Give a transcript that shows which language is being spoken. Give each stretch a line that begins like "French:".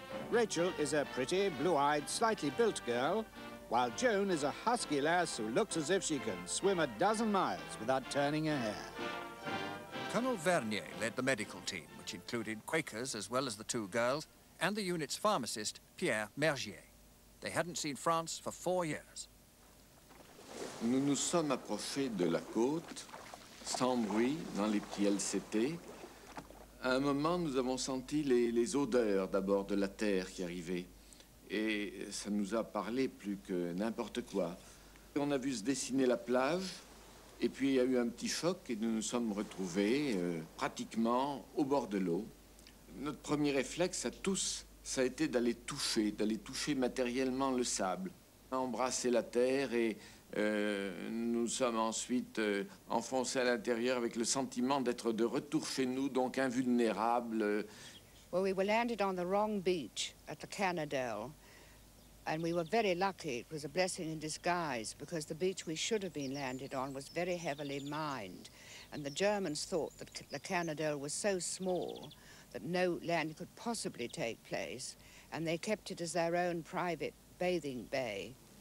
English: Rachel is a pretty, blue-eyed, slightly built girl, while Joan is a husky lass who looks as if she can swim a dozen miles without turning her hair. Colonel Vernier led the medical team, which included Quakers as well as the two girls, and the unit's pharmacist, Pierre Mergier. They hadn't seen France for 4 years.
French: Nous nous sommes approchés de la côte, sans bruit, dans les petits LCT. À un moment, nous avons senti les odeurs d'abord de la terre qui arrivait. Et ça nous a parlé plus que n'importe quoi. On a vu se dessiner la plage, et puis il y a eu un petit choc, et nous nous sommes retrouvés pratiquement au bord de l'eau. Notre premier réflexe à tous, ça a été d'aller toucher matériellement le sable, embrasser la terre, et nous sommes ensuite enfoncés à l'intérieur avec le sentiment d'être de retour chez nous, donc invulnérables.
English: Well, we were landed on the wrong beach at the Cannadale, and we were very lucky. It was a blessing in disguise, because the beach we should have been landed on was very heavily mined, and the Germans thought that the Cannadale was so small that no landing could possibly take place, and they kept it as their own private bathing bay.